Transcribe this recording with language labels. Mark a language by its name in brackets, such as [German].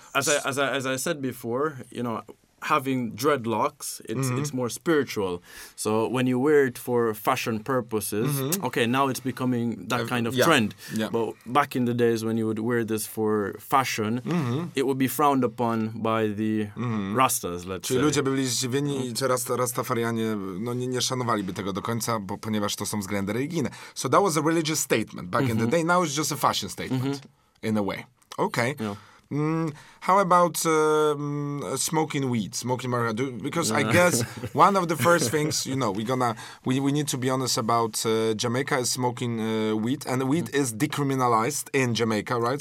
[English] As I said before, you know, having dreadlocks, it's more spiritual. So when you wear it for fashion purposes, okay, now it's becoming that kind of trend. Yeah. But back in the days when you would wear this for fashion, it would be frowned upon by the Rastas, let's [Polish] Czyli [English] say. [Polish] Ludzie byli zdziwieni, czy Rastafarianie nie szanowaliby tego do końca, bo ponieważ to są względy religijne. [English] So that was a religious statement back in the day. Now it's just a fashion statement, in a way. Okay. Yeah. How about smoking weed, smoking marijuana? I guess one of the first things, you know, we need to be honest about Jamaica is smoking weed, and weed is decriminalized in Jamaica, right?